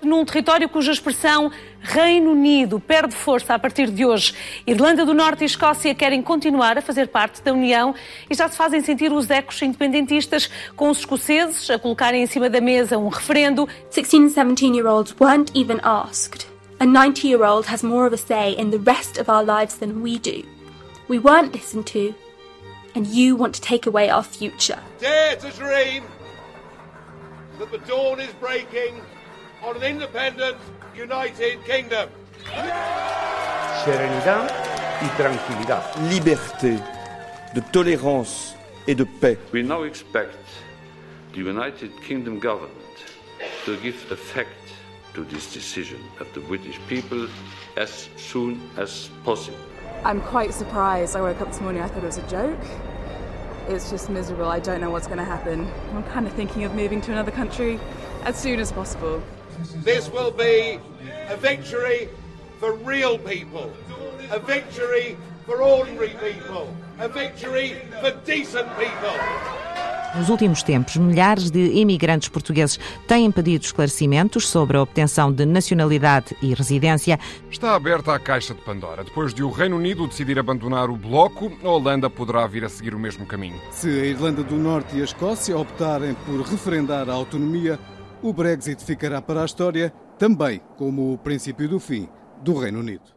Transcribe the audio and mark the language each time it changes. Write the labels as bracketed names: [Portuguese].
[Portuguese] Num território cuja expressão Reino Unido perde força a partir de hoje, Irlanda do Norte e Escócia querem continuar a fazer parte da União e já se fazem sentir os ecos independentistas, com os escoceses a colocarem em cima da mesa um referendo. [English] 16 and 17-year-olds weren't even asked. A 90-year-old has more of a say in the rest of our lives than we do. We weren't listened to, and you want to take away our future. Dare to dream that the dawn is breaking on an independent, united kingdom. [Portuguese] Serenidade e tranquilidade. [French] Liberté, de tolérance et de paix. [English] We now expect the United Kingdom government to give effect to this decision of the British people as soon as possible. I'm quite surprised. I woke up this morning, I thought it was a joke. It's just miserable. I don't know what's going to happen. I'm kind of thinking of moving to another country as soon as possible. This will be a victory for real people, a victory for ordinary people, a victory for decent people. [Portuguese] Nos últimos tempos, milhares de imigrantes portugueses têm pedido esclarecimentos sobre a obtenção de nacionalidade e residência. Está aberta a caixa de Pandora. Depois de o Reino Unido decidir abandonar o bloco, a Holanda poderá vir a seguir o mesmo caminho. Se a Irlanda do Norte e a Escócia optarem por referendar a autonomia, o Brexit ficará para a história também como o princípio do fim do Reino Unido.